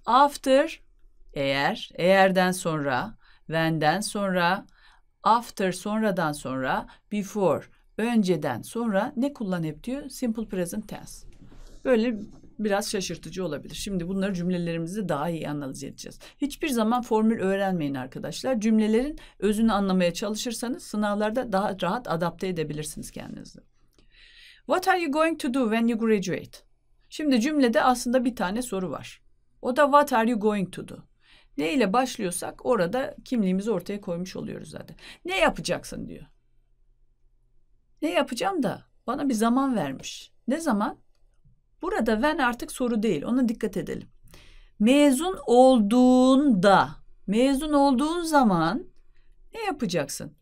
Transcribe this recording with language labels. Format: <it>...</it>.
<tr>After, eğer, eğerden sonra, when'den sonra, after, sonradan sonra, before, önceden sonra ne kullan hep diyor? Simple present tense. Böyle biraz şaşırtıcı olabilir. Şimdi bunları cümlelerimizi daha iyi analiz edeceğiz. Hiçbir zaman formül öğrenmeyin arkadaşlar. Cümlelerin özünü anlamaya çalışırsanız sınavlarda daha rahat adapte edebilirsiniz kendinizi.</tr> <en>What are you going to do when you graduate?</en> <tr>Şimdi cümlede aslında bir tane soru var. O da</tr> <en>what are you going to do?</en> <tr>Ne ile başlıyorsak orada kimliğimizi ortaya koymuş oluyoruz zaten. Ne yapacaksın diyor. Ne yapacağım da bana bir zaman vermiş. Ne zaman? Burada when artık soru değil. Ona dikkat edelim. Mezun olduğunda, mezun olduğun zaman ne yapacaksın?</tr>